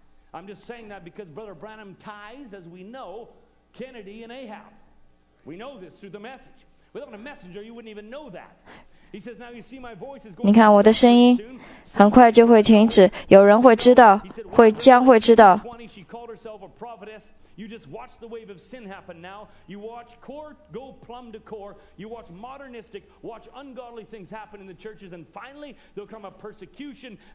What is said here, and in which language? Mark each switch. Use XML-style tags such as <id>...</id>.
<en>I'm just saying that because Brother Branham ties, as we know, Kennedy and Ahab. We know this through the message. Without a messenger, you wouldn't even know that. He says, "Now you see my voice is going."</en> <zh>你看我的声音，很快就会停止。有人会知道，会将会知道。</zh> <en>She called herself a prophetess. You just watch the wave of sin happen now. You watch core go plumb to core. You watch modernistic, watch ungodly things happen in the churches, and finally there'll come a persecution.</en>